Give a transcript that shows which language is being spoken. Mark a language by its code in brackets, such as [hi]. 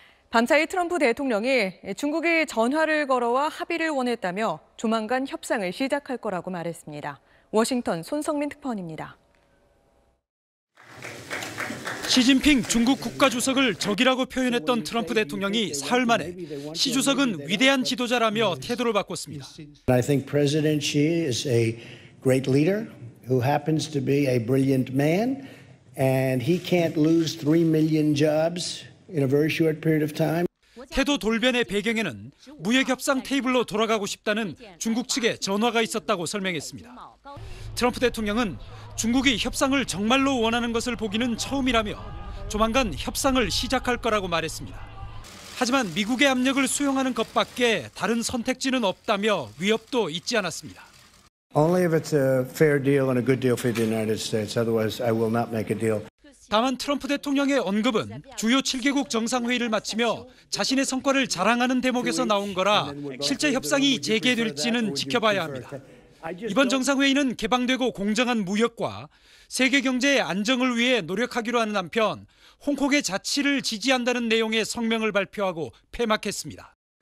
[ko] 밤사이 트럼프 대통령이 중국이 전화를 걸어와 합의를 원했다며 조만간 협상을 시작할 거라고 말했습니다. 워싱턴 손성민 특파원입니다. 시진핑 중국 국가주석을 적이라고 표현했던 트럼프 대통령이 사흘 만에 시 주석은 위대한 지도자라며 태도를 바꿨습니다. [en] I think President Xi is a great leader who happens to be a brilliant man and he can't lose 3 million jobs in a very short period of time. [ko] 태도 돌변의 배경에는 무역 협상 테이블로 돌아가고 싶다는 중국 측의 전화가 있었다고 설명했습니다. 트럼프 대통령은 중국이 협상을 정말로 원하는 것을 보기는 처음이라며 조만간 협상을 시작할 거라고 말했습니다. 하지만 미국의 압력을 수용하는 것밖에 다른 선택지는 없다며 위협도 잊지 않았습니다. [en] Only if it's a fair deal and a good deal for the United States. Otherwise, I will not make a deal. [ko] 다만 트럼프 대통령의 언급은 주요 7개국 정상회의를 마치며 자신의 성과를 자랑하는 대목에서 나온 거라 실제 협상이 재개될지는 지켜봐야 합니다. 이번 정상회의는 개방되고 공정한 무역과 세계 경제의 안정을 위해 노력하기로 하는 한편 홍콩의 자치를 지지한다는 내용의 성명을 발표하고 폐막했습니다.